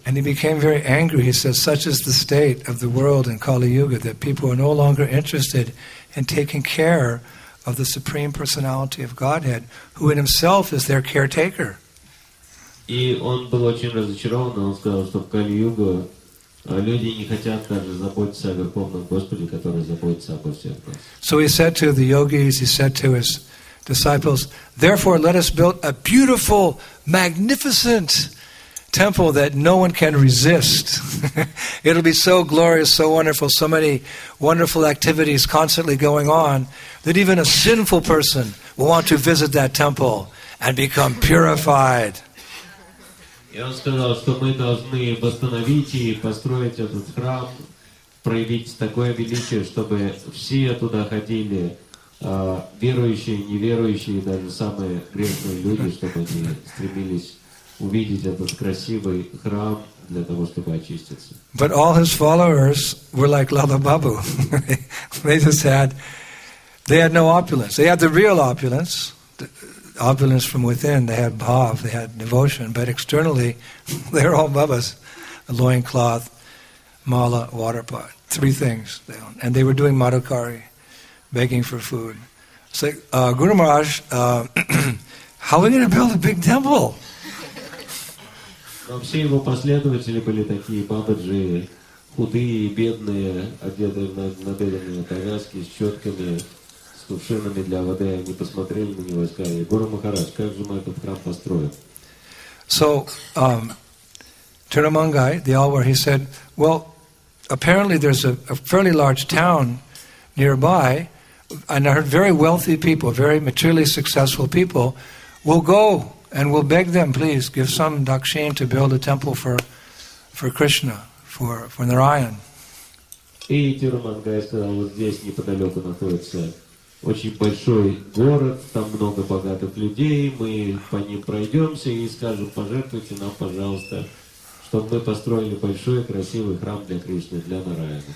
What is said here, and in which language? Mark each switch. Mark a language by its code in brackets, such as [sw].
[en] And he became very angry. He said, "Such is the state of the world in Kali Yuga that people are no longer interested in taking care of the Supreme Personality of Godhead, who in himself is their caretaker." [ru] И он был очень разочарован, он сказал, что в Кали-Юге люди не хотят даже заботиться о Верховном Господе, который заботится обо всех нас. [en] So he said to the yogis, he said to his disciples, "Therefore, let us build a beautiful, magnificent temple that no one can resist. It'll be so glorious, so wonderful, so many wonderful activities constantly going on that even a sinful person will want to visit that temple and become purified." [ru] И он сказал, что мы должны восстановить и построить этот храм, проявить такое величие, чтобы все туда ходили, верующие, неверующие, даже самые грешные люди, чтобы они стремились увидеть этот красивый храм для того, чтобы очиститься. [en] But all his followers were like Lala Babu. they had no opulence. They had the real opulence, the opulence from within. They had bhav, they had devotion, but externally, they were all babas, a loincloth, mala, water pot, 3 things they owned. And they were doing madhukari, begging for food. So, Guru Maharaj, how are we going to build a big temple? [ru] Но все его последователи были такие бабаджи, худые и бедные, одетые на набедренные повязки с четками, с кувшинами для воды. Они посмотрели на него и сказали: "Гуру Махарадж, как же мы этот храм построим?" [en] So, Tirumal Gai, the Alvar, he said, "Well, apparently there's a fairly large town nearby, and I heard very wealthy people, very materially successful people, will go and we'll beg them, please, give some dakshin to build a temple for Krishna, for Narayan." [ru] И Tirumal Gai сказал, вот здесь неподалеку находится очень большой город, там много богатых людей, мы по ним пройдемся и скажем, пожертвуйте нам, пожалуйста, чтобы мы построили большой красивый храм для Кришны, для Нараяна.